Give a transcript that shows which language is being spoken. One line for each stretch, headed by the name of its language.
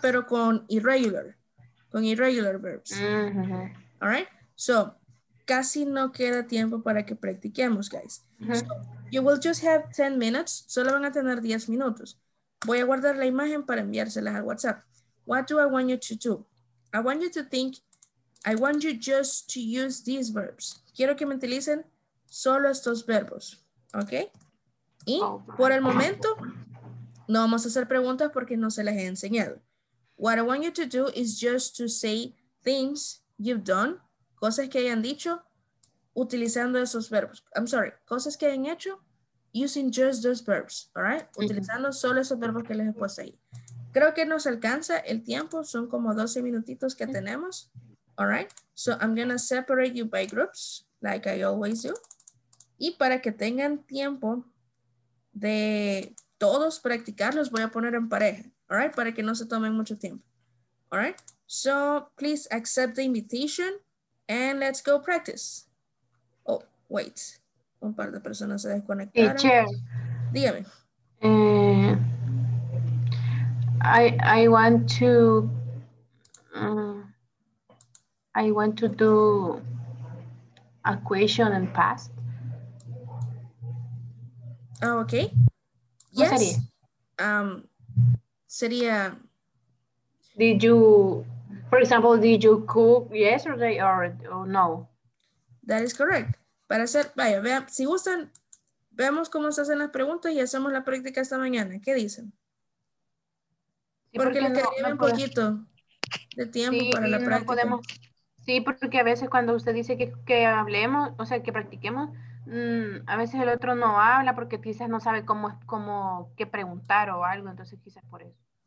Spanish: Pero con
English: irregular verbs. Uh-huh. All right?
Spanish: So, casi no queda tiempo para que practiquemos, guys.
English: So, you will just have 10 minutes.
Spanish: Solo van a tener 10 minutos. Voy a guardar la imagen para enviárselas al WhatsApp.
English: What do I want you to do? I want you to think, I want you just to use these verbs.
Spanish: Quiero que me utilicen solo estos verbos. ¿Ok? Y por el momento, no vamos a hacer preguntas porque no se las he enseñado.
English: What I want you to do is just to say things you've done.
Spanish: Cosas que hayan dicho utilizando esos verbos.
English: I'm sorry.
Spanish: Cosas que hayan hecho
English: using just those verbs. All right?
Spanish: Utilizando solo esos verbos que les he puesto ahí. Creo que nos alcanza el tiempo. Son como 12 minutitos que tenemos.
English: All right? So I'm going to separate you by groups like I always do.
Spanish: Y para que tengan tiempo de todos practicarlos, voy a poner en pareja.
English: All right?
Spanish: Para que no se tomen mucho tiempo.
English: All right? So please accept the invitation. And let's go practice. Oh, wait.
Spanish: Un par de personas se desconectaron.
English: Teacher.
Spanish: Dígame.
English: I want to... I want to do a question in past. Oh, okay. Yes.
Spanish: Sería? Sería...
English: Did you... For example, did you cook yesterday or no? That is correct.
Spanish: Para hacer, vaya, vea, si gustan, veamos cómo se hacen las preguntas y hacemos la práctica esta mañana. ¿Qué dicen? Porque les quedaría un poquito de tiempo para la práctica. No podemos, sí, porque a veces cuando usted dice que hablemos, o sea, que practiquemos, a veces el otro no habla porque quizás no sabe cómo qué preguntar o algo, entonces quizás por eso.